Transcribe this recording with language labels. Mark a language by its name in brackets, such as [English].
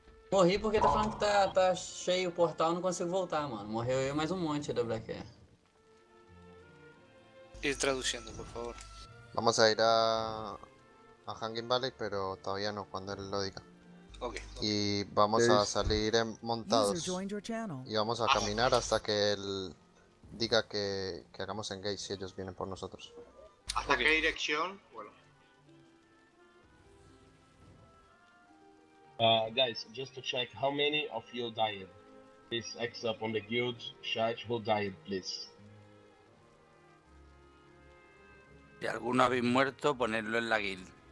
[Portuguese] Morri porque tá falando que tá cheio o portal, não consigo voltar, mano. Morreu eu mais um monte da Black Air. E traduzindo, por favor. [Spanish] Vamos a ir a Hungin Valley, pero todavía no, cuando él lo diga. [English] Okay. [Spanish] Y vamos a salir montados y vamos a caminar hasta que él diga que hagamos engage si ellos vienen por nosotros. ¿Hasta qué dirección? Bueno. [English] Guys, just to check, how many of you died? Please X up on the guild, charge who died, please. [Spanish] Si alguno habéis muerto, ponedlo en la guild.